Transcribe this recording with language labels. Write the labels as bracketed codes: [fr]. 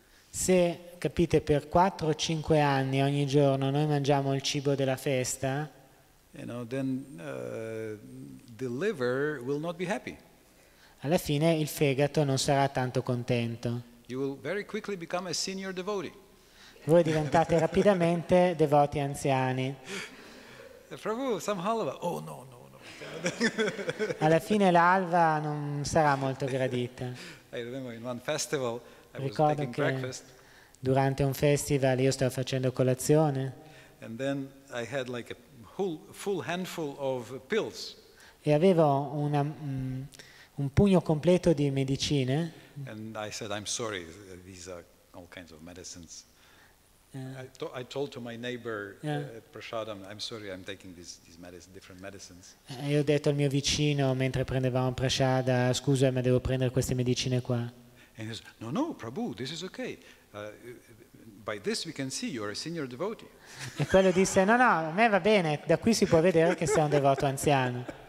[it] Se capite per 4 o 5 anni ogni giorno noi mangiamo il cibo della festa, [en] you know, then the liver will not be happy. [it] Alla fine il fegato non sarà tanto contento. [en] You will very quickly become a senior devotee. [it] Voi diventate rapidamente devoti anziani. [en] Prabhu, some halva. Oh no, no, no. [it] Alla fine l'alva non sarà molto gradita. [en] I remember in one festival, [it] ricordo che [en] breakfast. [it] Durante un festival io stavo facendo colazione. [en] And then I had like a full handful of pills. [it] E avevo un pugno completo di medicine. [en] And I said, I'm sorry, these are all kinds of medicines. I told to my neighbor, Prashadam, I'm sorry, I'm taking these medicines, different medicines. [it] E ho detto al mio vicino, mentre prendevamo Prashada, scusa, ma devo prendere queste medicine qua. [en] And he said, no, no, Prabhu, this is okay. By this we can see you're a senior devotee. [it] E quello disse, no, no, a me va bene, da qui si può vedere che sei un devoto anziano.